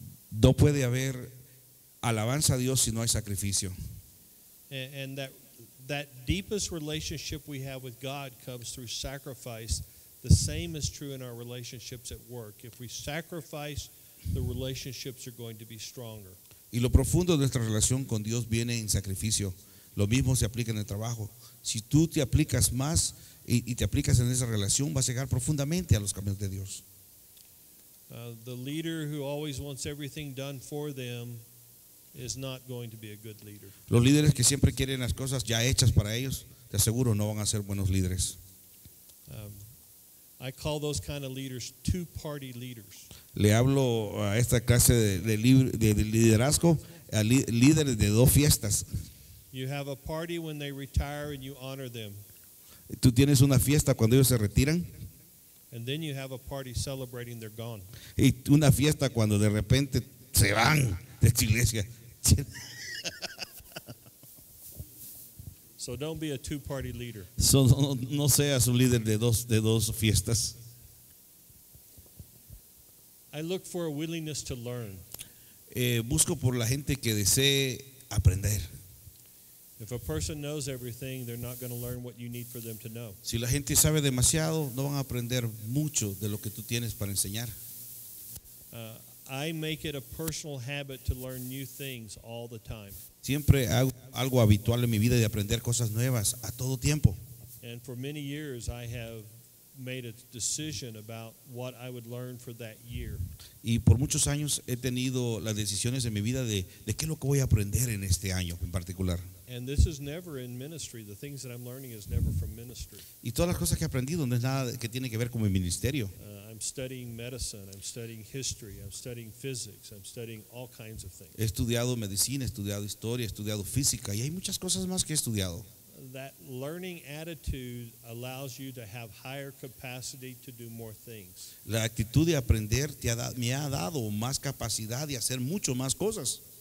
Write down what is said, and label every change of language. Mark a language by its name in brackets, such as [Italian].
[Spanish] No puede haber alabanza a Dios si no hay sacrificio. [English] And that deepest relationship we have with God comes through sacrifice. The same is true in our relationships at work. If we sacrifice, the relationships are going to be stronger. [Spanish] Y lo profundo de nuestra relación con Dios viene en sacrificio. Lo mismo se aplica en el trabajo. Si tú te aplicas más y te aplicas en esa relación, vas a llegar profundamente a los caminos de Dios. [English] The leader who always wants everything done for them is not going to be a good leader. [Spanish] Los líderes que siempre quieren las cosas ya hechas para ellos, te aseguro no van a ser buenos líderes. [English] I call those kind of leaders two-party leaders. [Spanish] Le hablo a esta clase de liderazgo a líderes de dos fiestas. [English] You have a party when they retire and you honor them. [Spanish] Tú tienes una fiesta cuando ellos se retiran. [English] And then you have a party celebrating they're gone. [Spanish] Y una fiesta cuando de repente se van de la iglesia. [English] So don't be a two-party leader. [Spanish] So no seas un líder de dos fiestas. [English] I look for a willingness to learn. [Spanish] Busco por la gente que desee aprender. [English] If a person knows everything, they're not going to learn what you need for them to know. [Spanish] Si la gente sabe demasiado, no van a aprender mucho de lo que tú tienes para enseñar. [English] I make it a personal habit to learn new things all the time. [Spanish] Siempre hago algo habitual en mi vida de aprender cosas nuevas a todo tiempo. [English] And for many years, I have made a decision about what I would learn for that year. [Spanish] Y por muchos años he tenido las decisiones en mi vida de qué es lo que voy a aprender en este año en particular. [English] And this is never in ministry. The things that I'm learning is never from ministry. [Spanish] Y todas las cosas que he aprendido no es nada que tiene que ver con mi ministerio. [English] I'm studying medicine. I'm studying history. I'm studying physics. I'm studying all kinds of things. [Spanish] He estudiado medicina, he estudiado historia, he estudiado física, y hay muchas cosas más que he estudiado. [English] That learning attitude allows you to have higher capacity to do more things. [Spanish] La actitud de aprender me ha dado más capacidad de hacer mucho más cosas.